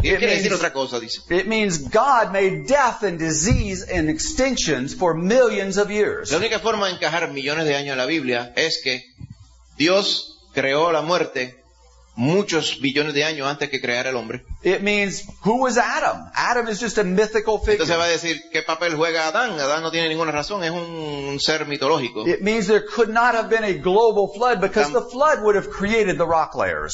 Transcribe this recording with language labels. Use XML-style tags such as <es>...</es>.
<es>Tiene que decir otra cosa, dice.</es> <en>It means God made death and disease and extinctions for millions of years.</en> <es>La única forma de encajar millones de años en la Biblia es que Dios creó la muerte muchos billones de años antes que creara el hombre.</es> <en>It means, who was Adam? Adam is just a mythical figure.</en> <es>Entonces va a decir, ¿qué papel juega Adán? Adán no tiene ninguna razón, es un ser mitológico.</es> <en>It means there could not have been a global flood because the flood would have created the rock layers.</en>